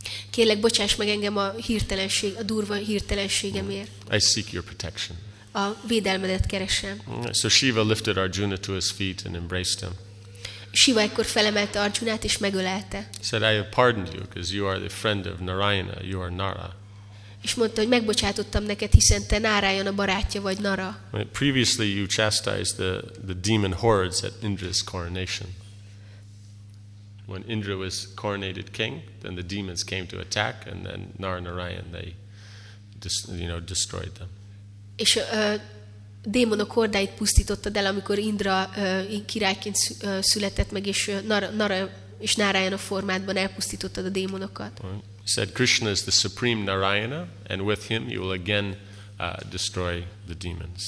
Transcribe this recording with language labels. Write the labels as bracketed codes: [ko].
[hu] Kérlek bocsáss meg engem a hirtelenség, a durva hirtelenségemért. [en] I seek your protection. [hu] A védelmedet keresem. [en] So Shiva lifted Arjuna to his feet and embraced him. [hu] Shiva ekkor felemelte Arjunát és megölelte. [en] Said I have pardoned you because you are the friend of Narayana, you are Nara. [hu] És mondta, hogy megbocsátottam neked, hiszen te Narayana barátja vagy, Nara. [en] Previously you chastised the demon hordes at Indra's coronation. When Indra was coronated king, then the demons came to attack, and then Nara and Narayan, they just, you know, destroyed them. [hu] És démonok hordáit pusztítottad el, amikor Indra királyként született meg, és Nara és Narayana formátban elpusztítottad a démonokat. [en] He said Krishna is the supreme Narayana, and with him you will again destroy the demons.